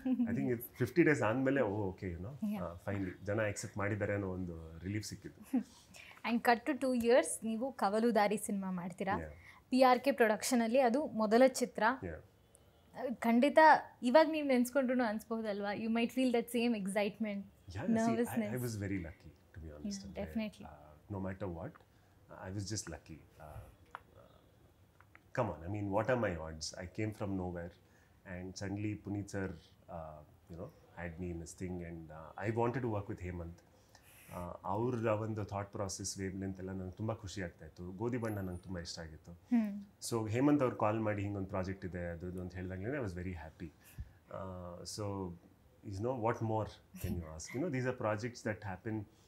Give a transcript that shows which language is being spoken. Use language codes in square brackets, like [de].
[kn] I think 50 days ಆದಮೇಲೆ ಓ okay ಏನೋ finally ಜನ ಎಕ್ಸೆಪ್ಟ್ ಮಾಡಿದ್ದಾರೆ ಅನ್ನೋ ಒಂದು ರಿಲೀಫ್ ಸಿಕ್ಕಿತ್ತು. [en] and cut to 2 years [kn] ನೀವು ಕವಲುದಾರಿ ಸಿನಿಮಾ ಮಾಡ್ತೀರಾ, ಪಿ ಆರ್ ಕೆ ಪ್ರೊಡಕ್ಷನಲ್ಲಿ, ಅದು ಮೊದಲ ಚಿತ್ರ. ಖಂಡಿತ ಇವಾಗ ನೀವು ನೆನೆಸ್ಕೊಂಡ್ರು ಅನಿಸ್ಬೋದಲ್ವಾ, [en] You might feel that same excitement I was very lucky, to be honest. Yeah, definitely. No matter what, I was just lucky. Come on, I mean, what are my odds? I came from nowhere and suddenly Puneet sir, had me in his thing and I wanted to work with Hemant. [kn] ಅವ್ರ ಒಂದು thought process wave length ಎಲ್ಲ ನಂಗೆ ತುಂಬ ಖುಷಿ ಆಗ್ತಾ ಇತ್ತು. ಗೋಧಿ ಬಣ್ಣ ನಂಗೆ ತುಂಬ ಇಷ್ಟ ಆಗಿತ್ತು. ಸೊ ಹೇಮಂತ್ ಅವ್ರು ಕಾಲ್ ಮಾಡಿ ಹಿಂಗೊಂದು ಪ್ರಾಜೆಕ್ಟ್ ಇದೆ ಅದು ಅಂತ ಹೇಳಿದಾಗ [en] I was very happy. So is no what more can you ask you know these are projects that happen.